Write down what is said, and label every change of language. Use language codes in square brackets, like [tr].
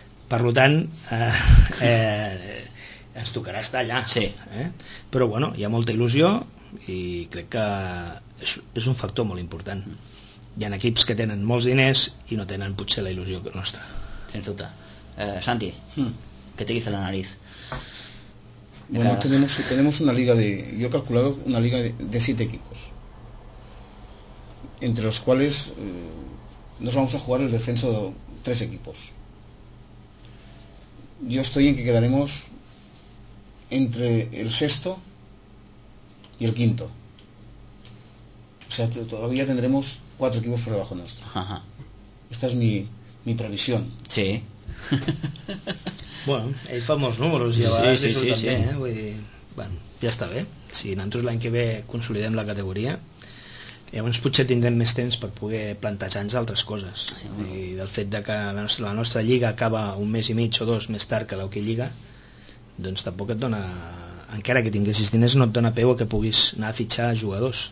[ca] Per tant, ens tocarà estar allà. Sí. Però bueno, hi ha molta il·lusió, i crec que és un factor molt important. Hi ha equips que tenen molts diners i no tenen potser la il·lusió nostra. Sens dubte. [es] Santi, ¿qué te dice la nariz? Bueno, tenemos una liga de... Yo he calculado una liga de 7 equipos, entre los cuales nos vamos a jugar el descenso de 3 equipos. Yo estoy en que quedaremos entre el sexto y el quinto. O sea, todavía tendremos 4 equipos por debajo nuestro. Ajá. Esta es mi previsión. Sí. [ca] Bueno, ell fa molts números i a vegades sí, sí, sí, també, sí. Vull dir, bueno, ja està bé. Si nosaltres l'any que ve consolidem la categoria, llavors potser tindrem més temps per poder plantejar-nos altres coses. Sí, bueno. I del fet de que la nostra lliga acaba un mes i mig o dos més tard que l'hoquei lliga, doncs tampoc et dona, encara que tinguessis diners, no et dona peu a que puguis anar a fitxar jugadors.